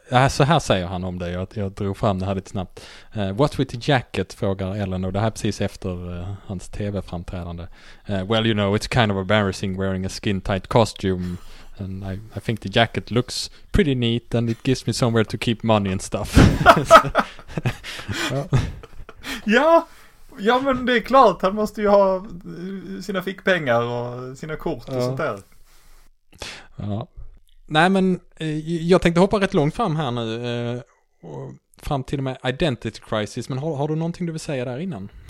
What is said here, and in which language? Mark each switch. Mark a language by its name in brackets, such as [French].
[Swedish] Så här säger han om det, jag drog fram det här lite snabbt. [English] What with the jacket, [Swedish] frågar Ellen, och det här precis efter hans tv-framträdande. [English] Well, you know, it's kind of embarrassing wearing a skin tight costume. And I think the jacket looks pretty neat and it gives me somewhere to keep money and stuff. [Swedish] Ja, men det är klart. Han måste ju ha sina fickpengar och sina kort och sånt där. Ja. Nej, men jag tänkte hoppa rätt långt fram här nu. Fram till och med identity crisis. Men har du någonting du vill säga där innan?